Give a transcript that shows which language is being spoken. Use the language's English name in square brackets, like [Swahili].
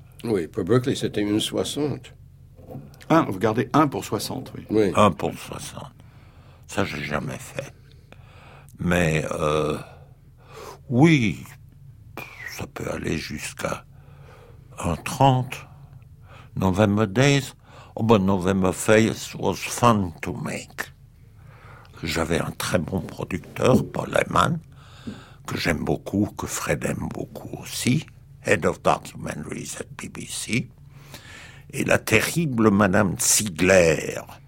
[French] Oui, pour Berkeley, c'était une 60. Vous gardez 1 pour 60, oui. Oui. 1 pour 60. Ça, j'ai jamais fait. Mais, oui, ça peut aller jusqu'à 1,30. [English] November Days. [French] Oh ben, [English] November Face was fun to make. [French] J'avais un très bon producteur, Paul Heyman, que j'aime beaucoup, que Fred aime beaucoup aussi, [English] Head of Documentaries at BBC, [French] et la terrible Madame Ziegler.